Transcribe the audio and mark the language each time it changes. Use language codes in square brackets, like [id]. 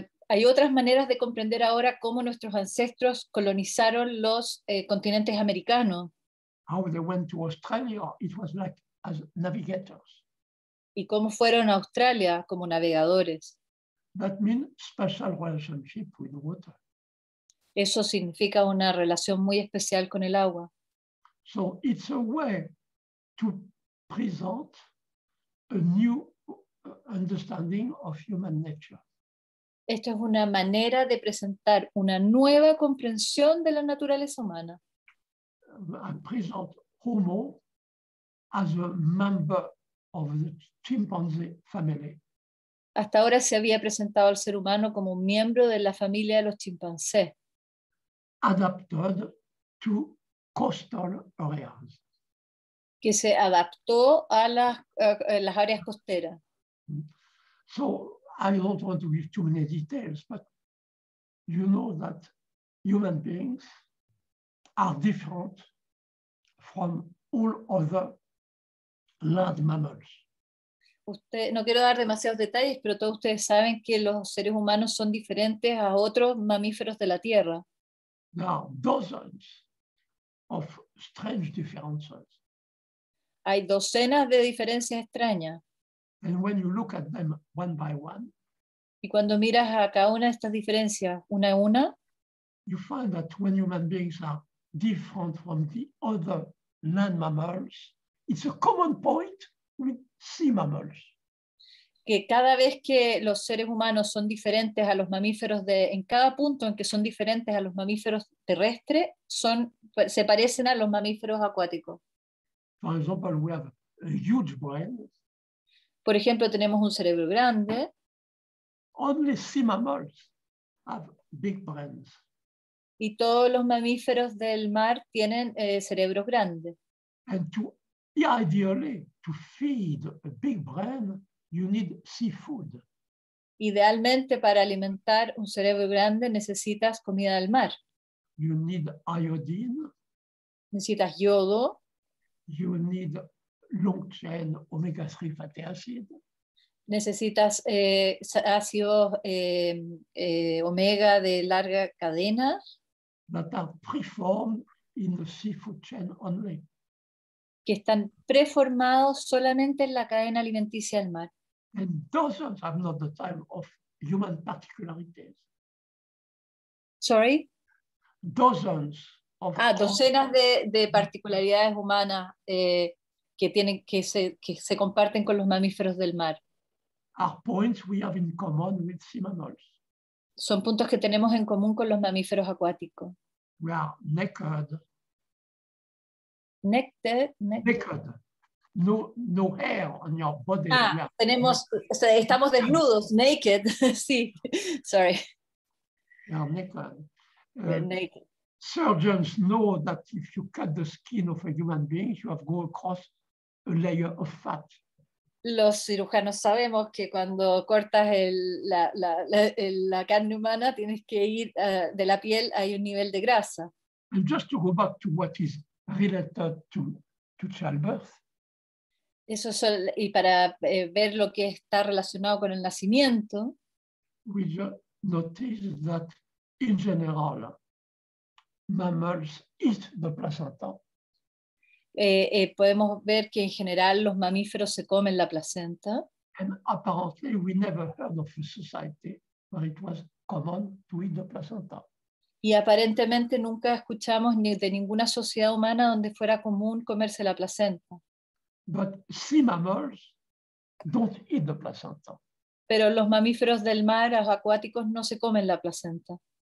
[es] Hay otras maneras de comprender ahora cómo nuestros ancestros colonizaron los continentes americanos. [en] How they went to Australia, it was like as navigators. [es] Y cómo fueron a Australia como navegadores. [en] That means special relationship with water. [es] Eso significa una relación muy especial con el agua. [en] So it's a way to present a new understanding of human nature. [es] Esto es una manera de presentar una nueva comprensión de la naturaleza humana. [en] I present Homo as a member of the chimpanzee family. [es] Hasta ahora se había presentado al ser humano como un miembro de la familia de los chimpancés. [en] Adapted to coastal areas. [es] Que se adaptó a las áreas costeras. [en] So I don't want to give too many details, but you know that human beings are different from all other land mammals. [es] No quiero dar demasiados detalles, pero todos ustedes saben que los seres humanos son diferentes a otros mammals de la Tierra. [en] There are dozens of strange differences. [es] Hay docenas de diferencias extrañas. [en] And when you look at them one by one, [es] y cuando miras a cada una de estas diferencias una a una, [en] you find that when human beings are different from the other land mammals, it's a common point with sea mammals. [es] Que cada vez que los seres humanos son diferentes a los mamíferos en cada punto en que son diferentes a los mamíferos terrestres, se parecen a los mamíferos acuáticos. [en] For example, we have a huge brain. [es] Por ejemplo, tenemos un cerebro grande. [en] Only sea mammals have big brains. [es] Y todos los mamíferos del mar tienen cerebros grandes. [en] And ideally, to feed a big brain, you need seafood. [es] Idealmente, para alimentar un cerebro grande, necesitas comida del mar. [en] You need iodine. [es] Necesitas yodo. [en] You need long chain omega-3 fatty acid. [es] necesitas ácidos omega de larga cadena. [en] That are preformed in the seafood chain only. [es] Que están preformados solamente en la cadena alimenticia del mar. [en] And dozens have not the time of human particularities. Sorry? Dozens of [es] docenas de particularidades humanas que se comparten con los mamíferos del mar. [en] Are points we have in common with sea mammals. [es] Son puntos que tenemos en común con los mamíferos acuáticos. [en] We are naked. Naked. No hair on your body. [es] Estamos desnudos. Naked. Sí. Sorry. [en] We are naked. We're naked. Surgeons know that if you cut the skin of a human being, you have gone across a layer of fat. [es] Los cirujanos sabemos que cuando cortas la carne humana tienes que ir de la piel, hay un nivel de grasa. [en] And just to go back to what is related to childbirth. [es] Eso es, y para ver lo que está relacionado con el nacimiento. [en] We just notice that in general, mammals eat the placenta. [es] Podemos ver que en general los mamíferos se comen la placenta. [en] And apparently we never heard of a society where it was common to eat the placenta. [es] Y aparentemente nunca escuchamos ni de ninguna sociedad humana donde fuera común comerse la placenta. [en] But sea mammals don't eat the placenta. [es] Pero los mamíferos del mar, los acuáticos, no se comen la placenta.